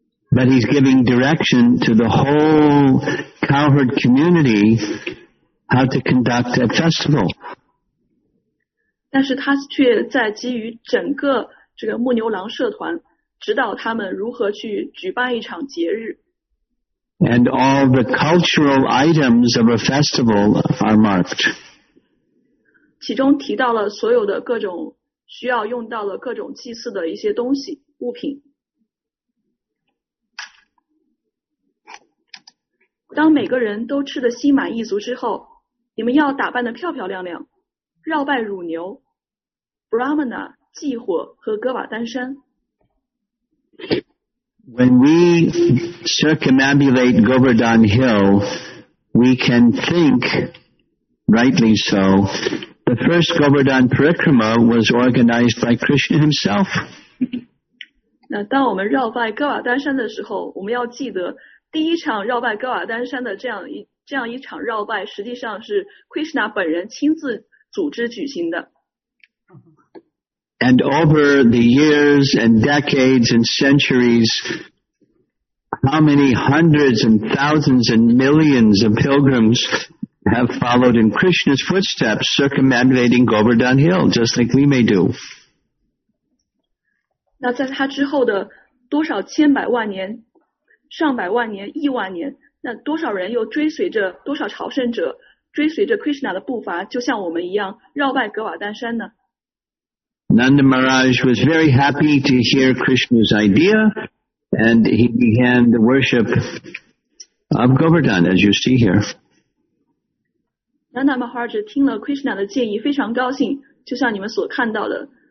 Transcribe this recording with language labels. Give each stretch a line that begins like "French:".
English: But he's giving direction to the whole cowherd community how to conduct a festival.
Chinese: 但是他却在给予整个这个牧牛郎社团指导他们如何去举办一场节日。
English: And all the cultural items of a festival are marked.
Chinese: 其中提到了所有的各种需要用到了各种祭祀的一些东西物品。当每个人都吃得心满意足之后，你们要打扮得漂漂亮亮，绕拜乳牛 Brahmana 祭火和哥瓦丹山。
English: When we circumambulate Govardhan Hill, we can think, rightly so,The first Govardhan Parikrama was organized by Krishna himself.
Chinese: 那当我们绕拜哥瓦丹山的时候，我们要记得第一场绕拜哥瓦丹山的这样一场绕拜，实际上是 Krishna 本人亲自组织举行的。
English: And over the years and decades and centuries, how many hundreds and thousands and millions of pilgrims? Have followed in Krishna's footsteps, circumambulating Govardhan Hill, just like we may do.
Chinese: 那在他之后的多少千百万年，上百万年、亿万年，那多少人又追随着多少朝圣者，追随着 Krishna 的步伐，就像我们一样绕拜格瓦丹山呢？
English: Nanda Maharaj was very happy to hear Krishna's idea, and he began the worship of Govardhan, as you see here.
Chinese: Nanda Maharaj 听了 Krishna 的建议，非常高兴，就像你们所看到的。